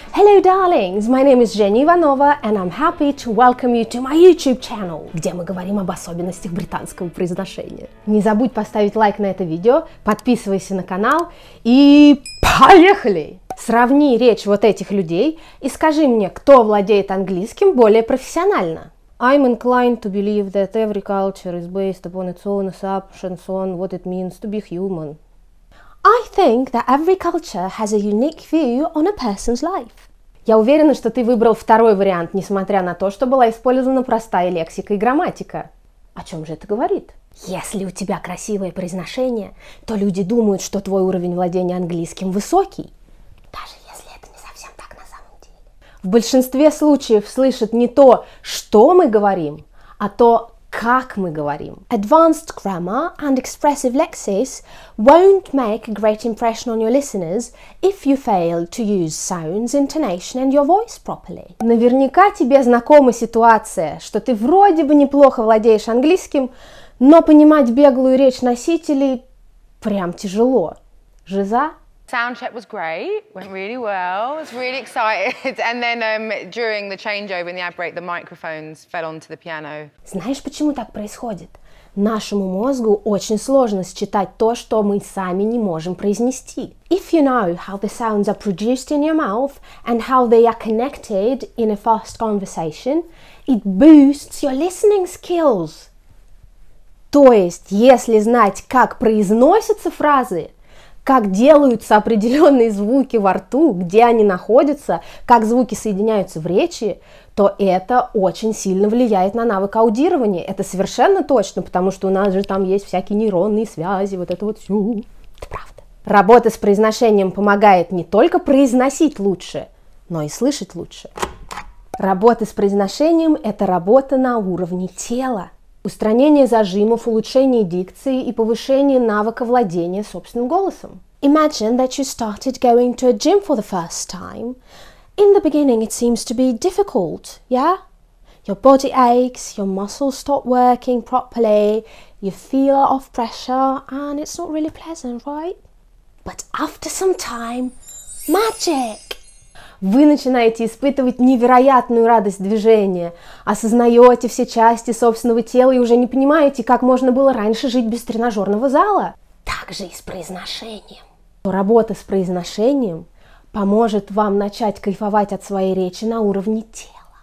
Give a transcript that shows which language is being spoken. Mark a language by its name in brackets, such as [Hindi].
[English] Hello, darlings! My name is Женя Иванова, and I'm happy to welcome you to my YouTube channel, [Russian] где мы говорим об особенностях британского произношения. Не забудь поставить лайк на это видео, подписывайся на канал и поехали! Сравни речь вот этих людей и скажи мне, кто владеет английским более профессионально. [English] I'm inclined to believe that every culture is based upon its own assumptions on what it means to be human. I think that every culture has a unique view on a person's life. [Russian] Я уверена, что ты выбрал второй вариант, несмотря на то, что была использована простая лексика и грамматика. О чем же это говорит? Если у тебя красивое произношение, то люди думают, что твой уровень владения английским высокий. Даже если это не совсем так на самом деле. В большинстве случаев слышат не то, что мы говорим, а то, как мы говорим. [English] Advanced grammar and expressive lexis won't make a great impression on your listeners if you fail to use sounds, intonation and your voice properly. [Russian] Наверняка тебе знакома ситуация, что ты вроде бы неплохо владеешь английским, но понимать беглую речь носителей прям тяжело. Жиза? [English] Sound check was great, went really well. I was really excited. And then during the changeover in the ad break, the microphones fell onto the piano. [Russian] Знаешь, почему так происходит? Нашему мозгу очень сложно считать то, что мы сами не можем произнести. [English] If you know how the sounds are produced in your mouth and how they are connected in a fast conversation, it boosts your listening skills. [Russian] То есть, если знать, как произносятся фразы, как делаются определенные звуки во рту, где они находятся, как звуки соединяются в речи, то это очень сильно влияет на навык аудирования. Это совершенно точно, потому что у нас же там есть всякие нейронные связи, вот это вот все. Это правда. Работа с произношением помогает не только произносить лучше, но и слышать лучше. Работа с произношением – это работа на уровне тела. Устранение зажимов, улучшение дикции и повышение навыка владения собственным голосом. [English] Imagine that you started going to a gym for the first time. In the beginning it seems to be difficult, yeah? Your body aches, your muscles stop working properly, you feel off pressure, and it's not really pleasant, right? But after some time, magic! [Russian] Вы начинаете испытывать невероятную радость движения, осознаете все части собственного тела и уже не понимаете, как можно было раньше жить без тренажерного зала. Так же и с произношением. Работа с произношением поможет вам начать кайфовать от своей речи на уровне тела.